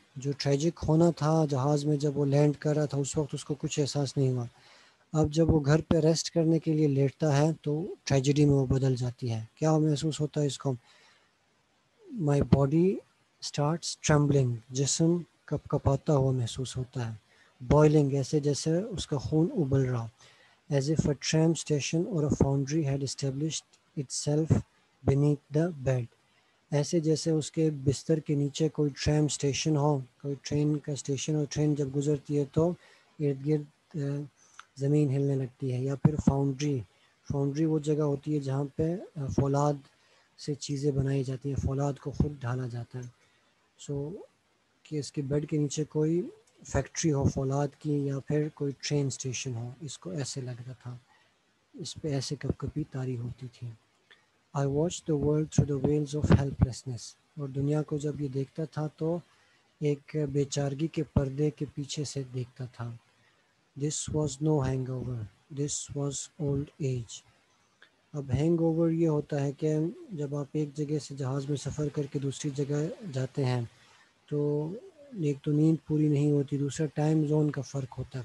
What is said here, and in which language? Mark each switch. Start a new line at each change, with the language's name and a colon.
Hindi: जो ट्रेजिक होना था जहाज़ में जब वो लैंड कर रहा था उस वक्त उसको कुछ एहसास नहीं हुआ, अब जब वो घर पे रेस्ट करने के लिए लेटता है तो ट्रेजिडी में वो बदल जाती है। क्या महसूस होता है इसको,
English: my body starts trembling,
Hindi: जिस्म कपकपाता हुआ महसूस होता है, बॉयलिंग ऐसे जैसे उसका खून उबल रहा।
English: as if a tram station or a foundry had established itself beneath the bed.
Hindi: ऐसे जैसे उसके बिस्तर के नीचे कोई ट्रैम स्टेशन हो, कोई ट्रेन का स्टेशन हो, ट्रेन जब गुजरती है तो इर्द गिर्द ज़मीन हिलने लगती है, या फिर फाउंड्री, फाउंड्री वो जगह होती है जहाँ पे फौलाद से चीज़ें बनाई जाती हैं, फौलाद को खुद ढाला जाता है. सो कि इसके बेड के नीचे कोई फैक्ट्री हो फौलाद की, या फिर कोई ट्रेन स्टेशन हो, इसको ऐसे लग रहा था, इस पर ऐसे कभी-कभी तारी होती थी.
English: I watched the world through the veils of helplessness.
Hindi: और दुनिया को जब ये देखता था तो एक बेचारगी के पर्दे के पीछे से देखता था.
English: This was no hangover. This was old age.
Hindi: अब hangover ये होता है कि जब आप एक जगह से जहाज़ में सफ़र करके दूसरी जगह जाते हैं तो एक तो नींद पूरी नहीं होती, दूसरा टाइम जोन का फ़र्क होता है.